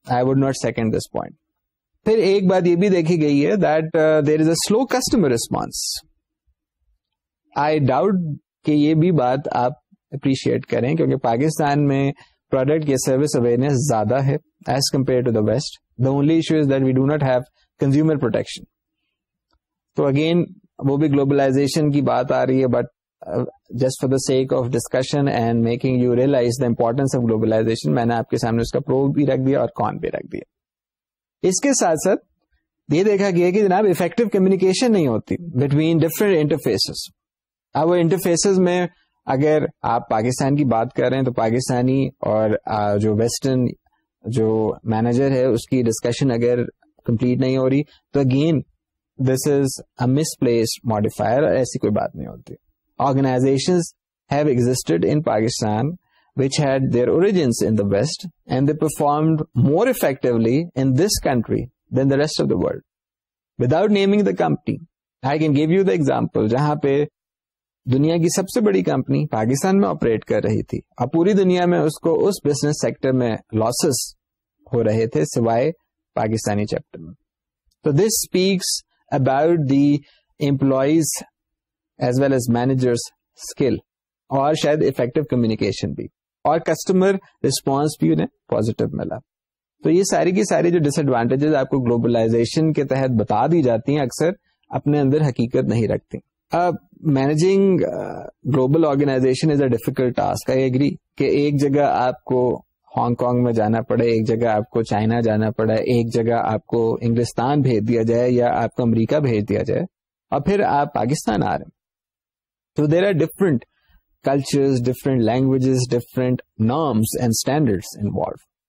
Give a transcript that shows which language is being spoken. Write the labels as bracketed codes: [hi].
[en] I would not second this point. [ur] پھر ایک بات یہ بھی دیکھی گئی ہے [en] That there is a slow customer response. I doubt [ur] کہ یہ بھی بات آپ اپریشیٹ کریں کیونکہ پاکستان میں پروڈکٹ یا سروس اویئرنیس زیادہ ہے [en] As compare to the West. The only issue is that we do not have consumer protection. [ur] تو اگین وہ بھی گلوبلائزیشن کی بات آ رہی ہے [en] but just for the sake of discussion and making you realise the importance of globalisation [ur] میں نے آپ کے سامنے اس کا پرو بھی رکھ دیا اور کون بھی رکھ دیا. اس کے ساتھ ساتھ یہ دیکھا گیا کہ جناب افیکٹو کمیونیکیشن نہیں ہوتی [en] Between different interfaces. [ur] اب وہ انٹرفیسز میں اگر آپ پاکستان کی بات کر رہے ہیں تو پاکستانی اور جو ویسٹرن جو مینیجر ہے اس کی ڈسکشن اگر کمپلیٹ نہیں ہو رہی تو again [en] This is a misplaced modifier. [ur] ایسی کوئی بات نہیں ہوتی. [en] Organisations have existed in Pakistan which had their origins in the West and they performed more effectively in this country than the rest of the world. Without naming the company, I can give you the example [ur] جہاں پہ دنیا کی سب سے بڑی company Pakistan میں operate کر رہی تھی اور پوری دنیا میں اس کو اس بزنس سیکٹر میں لاسز ہو رہے تھے سوائے پاکستانی چیپٹر میں. [en] تو this speaks about the employees as well as managers skill [ur] اور شاید افیکٹو کمیونیکیشن بھی اور کسٹمر ریسپانس بھی انہیں پازیٹو ملا. تو یہ ساری کی ساری جو ڈس ایڈوانٹیجز آپ کو گلوبلائزیشن کے تحت بتا دی جاتی ہیں اکثر اپنے اندر حقیقت نہیں رکھتی. [en] Managing global organisation is a difficult task. I agree [ur] کہ ایک جگہ آپ کو ہانگ کانگ میں جانا پڑے, ایک جگہ آپ کو چائنا جانا پڑے, ایک جگہ آپ کو انگلستان بھیج دیا جائے یا آپ کو امریکہ بھیج دیا جائے اور پھر آپ پاکستان آ رہے. [en] تو there are different cultures, different languages, different norms and standards involve.